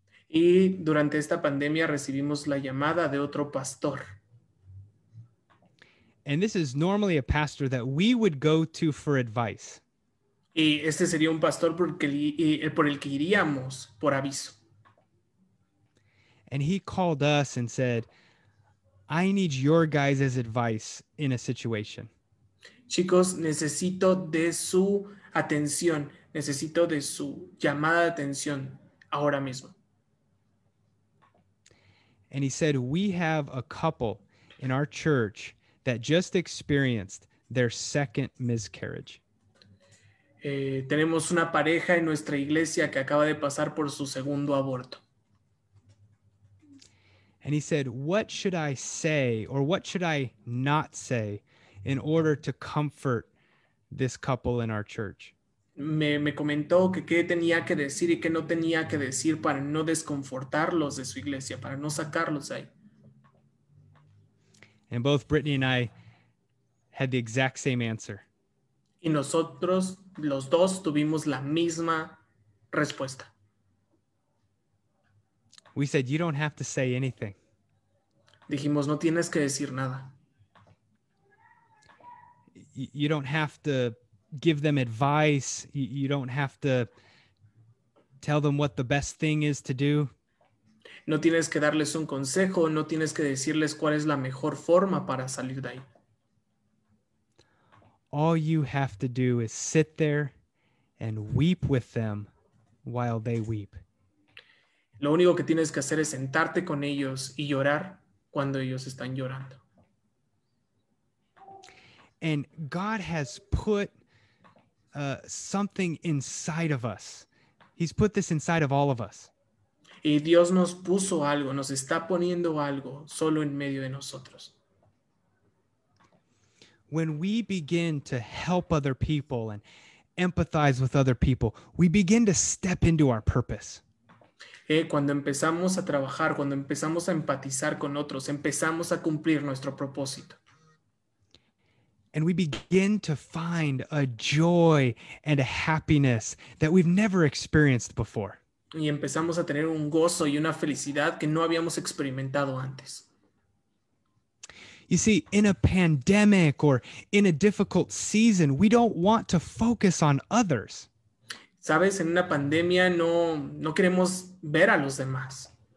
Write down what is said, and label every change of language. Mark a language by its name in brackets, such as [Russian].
[Spanish] Y durante esta pandemia recibimos la llamada de otro pastor. [English] And this is normally a pastor that we would go to for advice. [Spanish] Y este sería un pastor por el que iríamos por aviso. [English] And he called us and said, I need your guys' advice in a situation. [Spanish] Chicos, necesito de su atención. Necesito de su llamada de atención ahora mismo. [English] And he said, we have a couple in our church that just experienced their second miscarriage. [Spanish] Tenemos una pareja en nuestra iglesia que acaba de pasar por su segundo aborto. [English] And he said, what should I say or what should I not say in order to comfort this couple in our church? [Spanish] Me comentó que qué tenía que decir y qué no tenía que decir para no desconfortarlos de su iglesia, para no sacarlos ahí. [English] And both Brittany and I had the exact same answer. [Spanish] Y nosotros, los dos, tuvimos la misma respuesta. [English] We said, you don't have to say anything. [Spanish] Dijimos, no tienes que decir nada. [English] You don't have to give them advice. You don't have to tell them what the best thing is to do. [Spanish] No tienes que darles un consejo, no tienes que decirles cuál es la mejor forma para salir de ahí. [English] All you have to do is sit there and weep with them while they weep. [Spanish] Lo único que tienes que hacer es sentarte con ellos y llorar cuando ellos están llorando. [English] And God has put something inside of us. He's put this inside of all of us. [Spanish] Y Dios nos puso algo, nos está poniendo algo solo en medio de nosotros. [English] When we begin to help other people and empathize with other people, we begin to step into our purpose. [Spanish] Cuando empezamos a trabajar, cuando empezamos a empatizar con otros, empezamos a cumplir nuestro propósito. [English] And we begin to find a joy and a happiness that we've never experienced before. [Spanish] Y empezamos a tener un gozo y una felicidad que no habíamos experimentado antes. [English] You see, in a pandemic or in a difficult season, we don't want to focus on others. [Spanish] Sabes, en una pandemia no queremos ver a los demás.